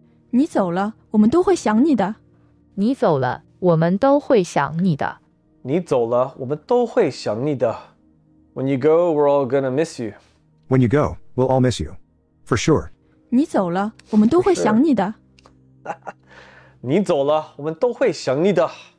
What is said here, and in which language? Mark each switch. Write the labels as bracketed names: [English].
[Chinese] 你走了，我们都会想你的。你走了，我们都会想你的。你走了，我们都会想你的。 [English] When you go, we're all gonna miss you. When you go, we'll all miss you. For sure. [Chinese] 你走了，我们都会想你的。你走了，我们都会想你的。